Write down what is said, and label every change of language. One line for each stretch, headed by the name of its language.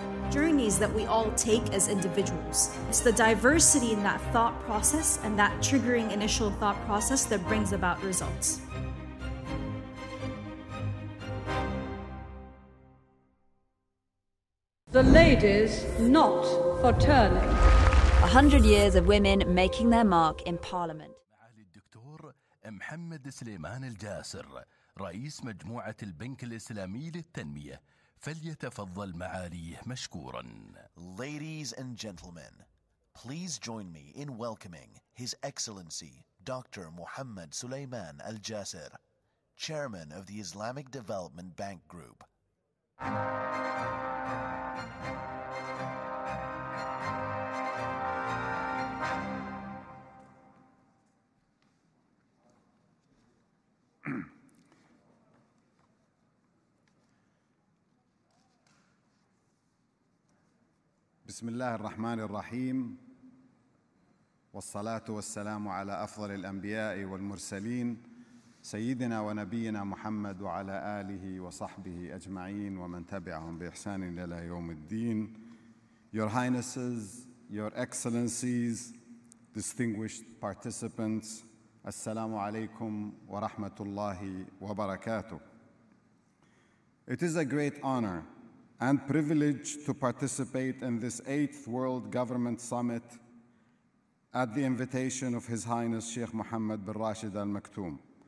English: Journeys that we all take as individuals. It's the diversity in that thought process and that triggering initial thought process that brings about results. The ladies not for turning. 100 years of women making their mark in Parliament.
Arabic: الدكتور محمد سليمان الجاسر رئيس مجموعة البنك الإسلامي للتنمية. فليتفضل معاليه مشكورا.
English: Ladies and gentlemen, please join me in welcoming His Excellency Dr. Muhammad Sulaiman Al-Jasir, Chairman of the Islamic Development Bank Group.
Arabic: بسم الله الرحمن الرحيم والصلاة والسلام على أفضل الأنبياء والمرسلين سيدنا ونبينا محمد وعلى آله وصحبه أجمعين ومن تبعهم بإحسان إلى يوم الدين.
English: Your Highnesses, Your Excellencies, Distinguished Participants,
Arabic: السلام عليكم ورحمة الله وبركاته.
English: It is a great honor and privilege to participate in this 8th World Government Summit at the invitation of His Highness Sheikh Mohammed bin Rashid Al Maktoum.